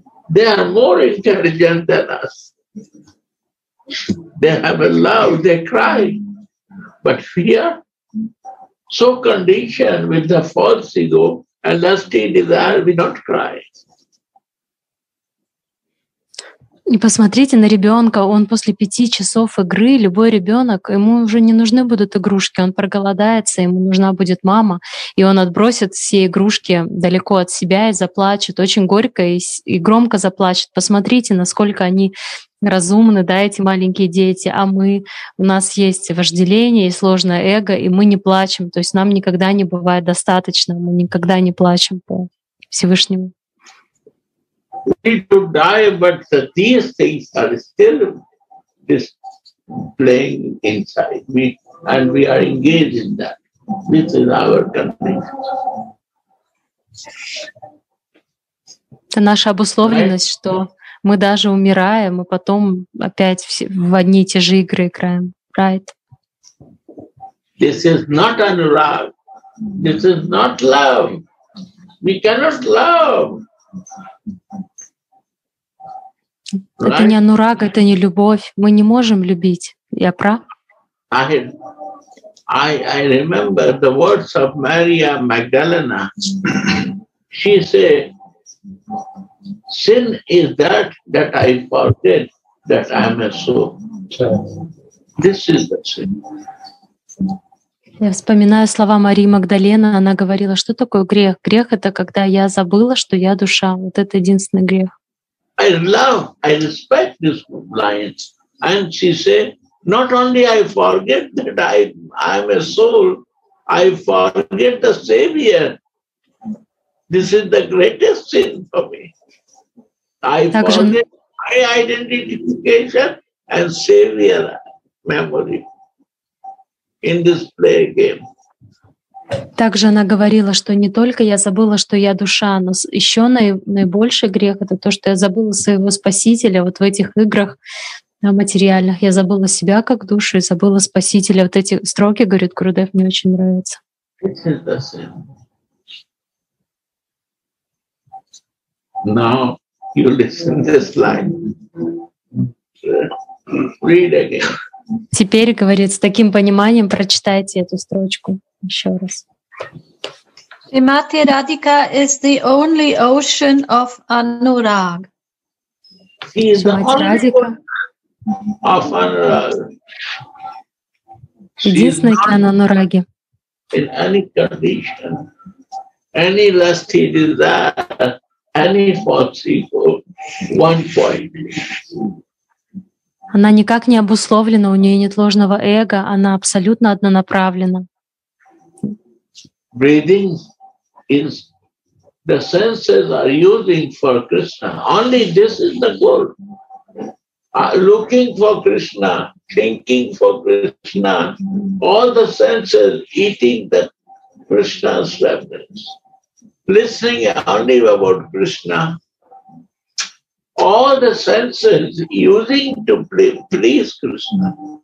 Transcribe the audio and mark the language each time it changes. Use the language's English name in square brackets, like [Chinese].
[English] They are more intelligent than us. They have a love, they cry, but fear, so conditioned with the false ego and lusty desire, we don't cry. [Russian] И посмотрите на ребенка, он после 5 часов игры, любой ребенок, ему уже не нужны будут игрушки, он проголодается, ему нужна будет мама, и он отбросит все игрушки далеко от себя и заплачет, очень горько и громко заплачет. Посмотрите, насколько они разумны, да, эти маленькие дети, а мы, у нас есть вожделение и сложное эго, и мы не плачем, то есть нам никогда не бывает достаточно, мы никогда не плачем по Всевышнему. [English] We to die, but these things are still displaying inside me, and we are engaged in that. This is our condition. [Russian] Это наша обусловленность, right? Что мы даже умираем, мы потом опять в одни и те же игры играем, right? [English] This is not anurag. This is not love. We cannot love. [Russian] Это не анурага, это не любовь. Мы не можем любить. Я прав? [English] I remember the words of Maria Magdalena. She said, sin is that I forget that I am a soul. This is the sin. [Russian] Я вспоминаю слова Марии Магдалены. Она говорила, что такое грех? Грех — это когда я забыла, что я душа. Вот это единственный грех. [English] I love, I respect this compliance. And she said, not only I forget that I'm a soul, I forget the Savior. This is the greatest sin for me. I forget my identification and Savior memory in this play game. [Russian] Также она говорила, что не только я забыла, что я душа, но еще наибольший грех — это то, что я забыла своего Спасителя вот в этих играх материальных. Я забыла себя как душу и забыла Спасителя. Вот эти строки, говорит Гурудев, мне очень нравятся. [English] Now you listen this line. Read again. [Russian] Теперь, говорит, с таким пониманием прочитайте эту строчку. Еще раз. [English] Shrimati Radhika is the only ocean of anurag. He is Shrimati the only Radhika. Ocean of anurag. She is not in any condition, any lusty desire, any false ego, one point. [Russian] Она никак не обусловлена, у нее нет ложного эго, она абсолютно однонаправлена. [English] Breathing is the senses are using for Krishna. Only this is the goal. Looking for Krishna, thinking for Krishna, all the senses eating the Krishna's remnants, listening only about Krishna, all the senses using to please Krishna.